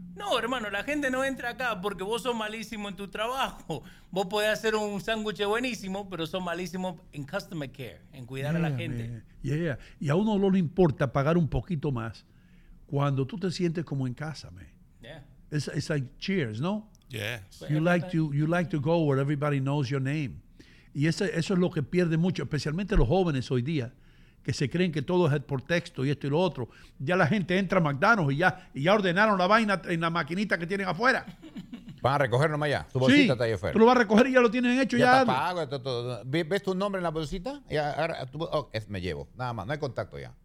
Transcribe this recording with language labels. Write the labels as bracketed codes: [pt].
[es] No, hermano, la gente no entra acá porque vos sos malísimo en tu trabajo. Vos podés hacer un sándwich buenísimo, pero sos malísimo en [en] customer care, [es] en cuidar a la gente. [en] Yeah. [es] Y a uno no le importa pagar un poquito más cuando tú te sientes como en casa, man. [en] Yeah. It's like cheers, no? Yeah. You like to go where everybody knows your name. [es] Y eso es lo que pierde mucho, especialmente los jóvenes hoy día, que se creen que todo es por texto y esto y lo otro. Ya la gente entra a McDonald's y ya ordenaron la vaina en la maquinita que tienen afuera. Van a recoger nomás ya. Tu bolsita está ahí afuera. Tú lo vas a recoger y ya lo tienen hecho. Ya está pago. ¿Ves tu nombre en la bolsita? Me llevo. Nada más. No hay contacto ya.